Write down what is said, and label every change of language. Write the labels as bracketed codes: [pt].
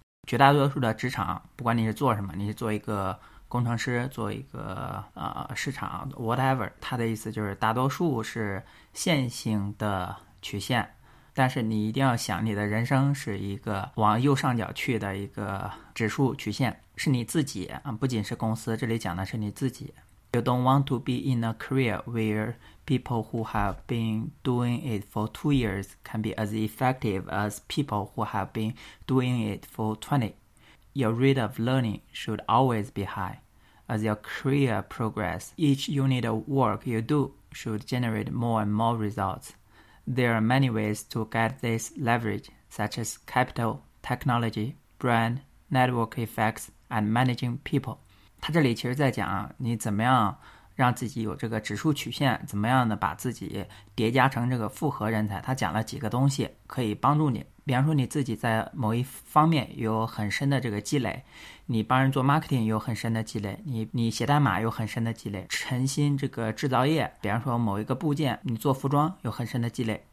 [zh] 绝大多数的职场，不管你是做什么，你是做一个工程师，做一个市场 whatever， 他的意思就是大多数是线性的曲线，但是你一定要想你的人生是一个往右上角去的一个指数曲线，是你自己，不仅是公司，这里讲的是你自己。 [en] You don't want to be in a career where people who have been doing it for 2 years can be as effective as people who have been doing it for 20. Your rate of learning should always be high. As your career progresses, each unit of work you do should generate more and more results. There are many ways to get this leverage, such as capital, technology, brand, network effects, and managing people. [zh] 他这里其实在讲你怎么样让自己有这个指数曲线，怎么样的把自己叠加成这个复合人才。他讲了几个东西可以帮助你，比方说你自己在某一方面有很深的这个积累，你帮人做 marketing 有很深的积累，你写代码有很深的积累，诚心这个制造业，比方说某一个部件你做服装有很深的积累。